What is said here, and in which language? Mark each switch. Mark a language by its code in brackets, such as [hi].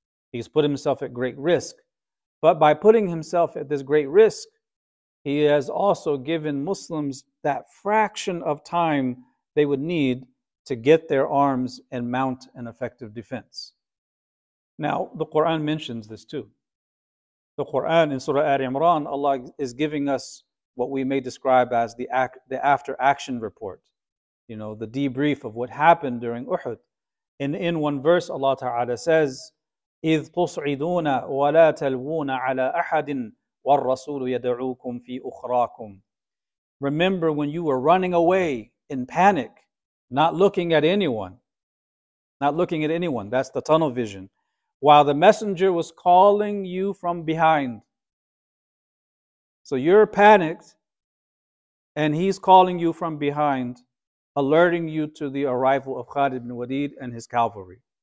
[en] He's put himself at great risk. But by putting himself at this great risk, he has also given Muslims that fraction of time they would need to get their arms and mount an effective defense. Now, the Quran mentions this too. The Quran in Surah Al-Imran, Allah is giving us what we may describe as the after-action report, you know, the debrief of what happened during Uhud. And in one verse, Allah Ta'ala says, [ar] إِذْ تُصْعِدُونَ وَلَا تَلْوُونَ عَلَى أَحَدٍ وَالرَّسُولُ يَدْعُوكُمْ فِي أُخْرَاكُمْ. [en] Remember when you were running away in panic, not looking at anyone. Not looking at anyone. That's the tunnel vision. While the messenger was calling you from behind. So you're panicked, and he's calling you from behind, alerting you to the arrival of Khalid ibn Walid and his cavalry.